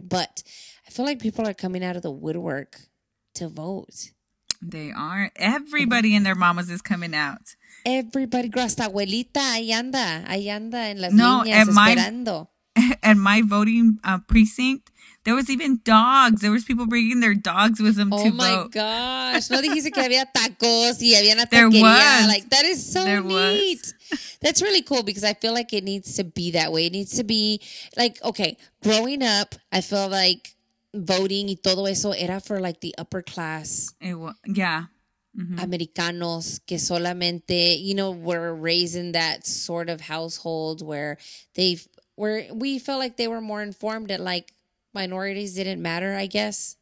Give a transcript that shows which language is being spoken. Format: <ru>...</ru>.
<en>But I feel like people are coming out of the woodwork to vote. They are. Everybody and their mamas is coming out.</en> <es>Everybody. Hasta abuelita. Ahí anda en las niñas esperando.</es> <en>At my voting precinct, there was even dogs. There was people bringing their dogs with them to vote. Oh, my gosh.</en> <es>No dijiste que había tacos y había una taquería.</es> <en>There was. Like, that is so neat. That's really cool because I feel like it needs to be that way. It needs to be like, okay, growing up, I feel like voting y todo eso era for like the upper class. Mm-hmm. Americanos que solamente, you know, were raised in that sort of household where they've, where we felt like they were more informed that, like, minorities didn't matter, I guess.</en>